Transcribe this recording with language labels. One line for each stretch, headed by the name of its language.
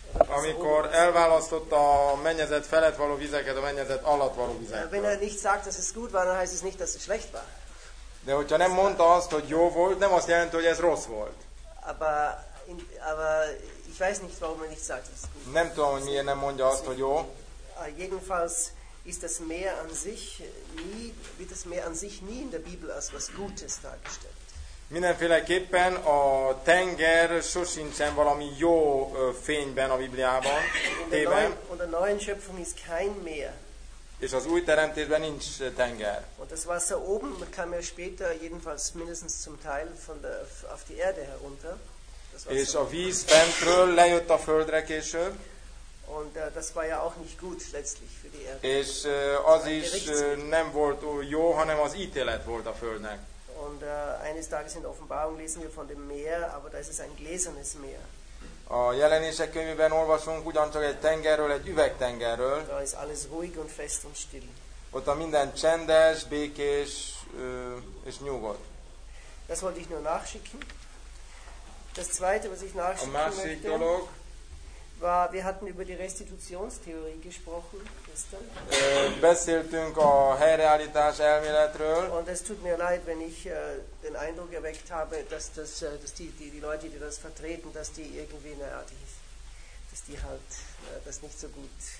Hungarian: Amikor elválasztott a mennyezet felett való vizeket a mennyezet alatt való vizeket.
German: Wenn er nicht sagt, dass es gut war, dann heißt es nicht, dass es schlecht war.
Hungarian: De hogyha nem mondta azt, hogy jó volt, nem azt jelenti, hogy ez rossz volt.
German: Aber ich weiß nicht, warum er nicht sagt, dass es gut war.
Hungarian: Nem tudom, hogy miért nem mondja azt, hogy jó.
German: Jedenfalls ist das Meer an sich nie, wird das Meer an sich nie in der Bibel als was Gutes dargestellt.
Hungarian: Mindenféleképpen a tenger sosincsen valami jó fényben a Bibliában, tében.
German: Und der neuen Schöpfung ist kein Meer.
Hungarian: És az új teremtésben nincs tenger.
German: Und das Wasser oben kam ja später jedenfalls mindestens zum Teil von der auf die Erde herunter.
Hungarian: És a víz fentről lejött a földre később.
German: Und das war ja auch nicht gut letztlich für die Erde.
Hungarian: És az is nem volt jó, hanem az ítélet volt a földnek.
German: Und eines Tages in der Offenbarung lesen wir von dem Meer, aber da ist es ein gläsernes Meer.
Hungarian: A Jelenések könyvében olvasunk ugyancsak egy tengerről, egy üvegtengerről.
German: Da ist alles ruhig und fest und still.
Hungarian: Ott a minden csendes, békés és nyugodt.
German: Das wollte ich nur nachschicken. Das zweite, was ich nachschicken möchte.
Hungarian: A másik
German: möchte,
Hungarian: dolog.
German: War, wir hatten über die Restitutionstheorie gesprochen gestern.
Hungarian: Beszéltünk a helyreállítás elméletről.
German: Und es tut mir leid, wenn ich den Eindruck erweckt habe, dass die Leute, die das vertreten, dass die irgendwie eine Art, dass die halt das nicht so gut